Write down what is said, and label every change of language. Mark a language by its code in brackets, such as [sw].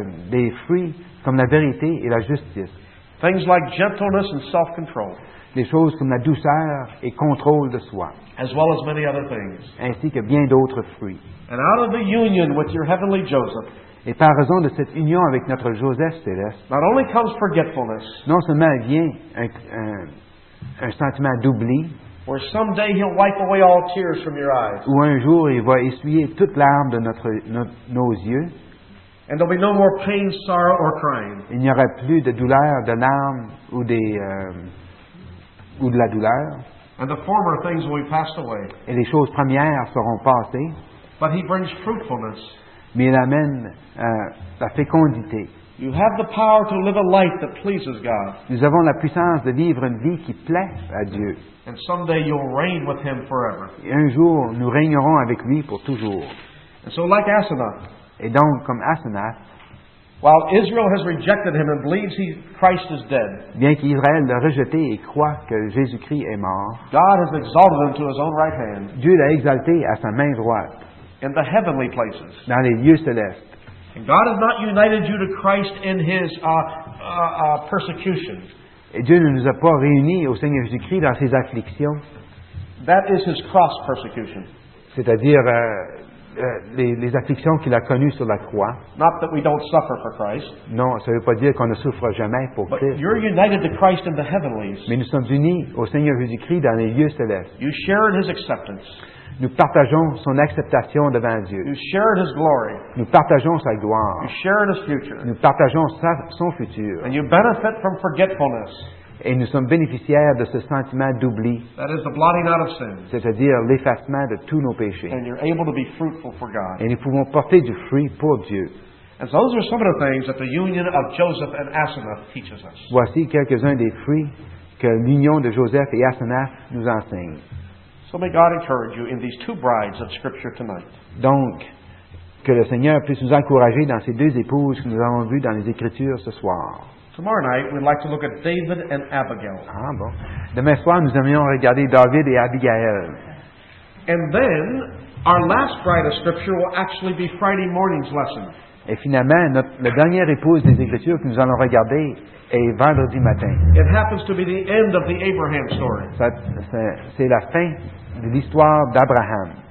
[fr] Des fruits comme la vérité et la justice. [en] Things like gentleness and self-control. [fr] Des choses comme la douceur et contrôle de soi. [en] As well as many other things. [fr] Ainsi que bien d'autres fruits. [en] And out of the union with your heavenly Joseph. [fr] Et par raison de cette union avec notre Joseph céleste, [en] not only comes forgetfulness, [fr] non seulement vient un sentiment d'oubli, [en] or someday he'll wipe away all tears from your eyes, [fr] où un jour il va essuyer toutes larmes de nos yeux, [en] and there'll be no more pain, sorrow, or crying. [fr] Il n'y aura plus de douleur, de larmes ou de la douleur, [en] and the former things will be passed away. [fr] Et les choses premières seront passées. [en] But he brings fruitfulness. [fr] Mais il amène la fécondité. [en] You have the power to live a life that pleases God. [fr] Nous avons la puissance de vivre une vie qui plaît à Dieu. [en] And someday you'll reign with Him forever. [fr] Et un jour, nous régnerons avec lui pour toujours. [en] And so, like Asenath, [fr] et donc, comme Asenath, [en] while Israel has rejected him and believes Christ is dead, [fr] bien qu'Israël l'a rejeté et croit que Jésus-Christ est mort, [en] God has exalted him to His own right hand. [fr] Dieu l'a exalté à sa main droite. [en] In the heavenly places. [fr] Dans les lieux célestes. [en] And God has not united you to Christ in His persecution. [fr] Et Dieu ne nous a pas réunis au Seigneur Jésus-Christ dans ses afflictions. [en] That is His cross persecution. [fr] C'est-à-dire les afflictions qu'il a connues sur la croix. [en] Not that we don't suffer for Christ. [fr] Non, ça ne veut pas dire qu'on ne souffre jamais pour [en] but Christ. You're united to Christ in the heavenlies. [fr] Mais nous sommes unis au Seigneur Jésus-Christ dans les lieux célestes. [en] You share in His acceptance. [fr] Nous partageons son acceptation devant Dieu. [en] You share in His glory. [fr] Nous partageons sa gloire. [en] You share in His future. [fr] Nous partageons son futur. [en] And you benefit from forgetfulness. [fr] Et nous sommes bénéficiaires de ce sentiment d'oubli. [en] That is the blotting out of sins. [fr] C'est-à-dire l'effacement de tous nos péchés. [en] And you're able to be fruitful for God. [fr] Et nous pouvons porter du fruit pour Dieu. [en] And so those are some of the things that the union of Joseph and Asenath teaches us. [fr] Voici quelques-uns des fruits que l'union de Joseph et Asenath nous enseigne. [en] So may God encourage you in these two brides of Scripture tonight. [fr] Donc, que le Seigneur puisse nous encourager dans ces deux épouses que nous avons vues dans les Écritures ce soir. [en] Tomorrow night, we'd like to look at David and Abigail. [fr] Ah bon. Demain soir, nous aimerions regarder David et Abigail. [en] And then, our last Friday scripture will actually be Friday morning's lesson. [fr] Et finalement, la dernière épouse des Écritures que nous allons regarder est vendredi matin. [en] It happens to be the end of the Abraham story. [fr] C'est la fin de l'histoire d'Abraham.